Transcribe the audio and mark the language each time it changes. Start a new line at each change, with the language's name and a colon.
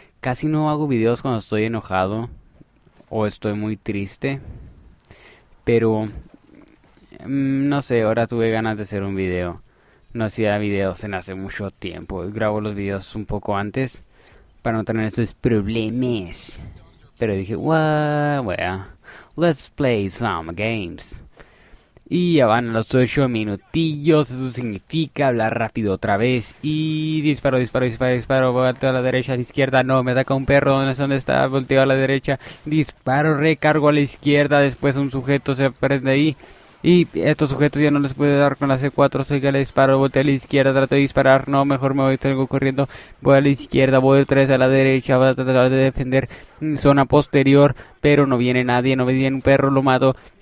Spanish: Casi no hago videos cuando estoy enojado o estoy muy triste, pero no sé, ahora tuve ganas de hacer un video. No hacía videos en hace mucho tiempo. Grabo los videos un poco antes para no tener estos problemas. Pero dije,
English: well, let's play some games.
Spanish: Y ya van los 8 minutillos. Eso significa hablar rápido otra vez. Y disparo, disparo, disparo, disparo. Voy a la derecha, a la izquierda. No, me ataca un perro. No sé dónde está. Volteo a la derecha. Disparo, recargo a la izquierda. Después un sujeto se prende ahí. Y estos sujetos ya no les puede dar con la C4, así que le disparo, volteo a la izquierda, trato de disparar, no, mejor me voy, tengo corriendo, voy a la izquierda, voy otra vez a la derecha, voy a tratar de defender zona posterior, pero no viene nadie, no viene un perro, lo mato.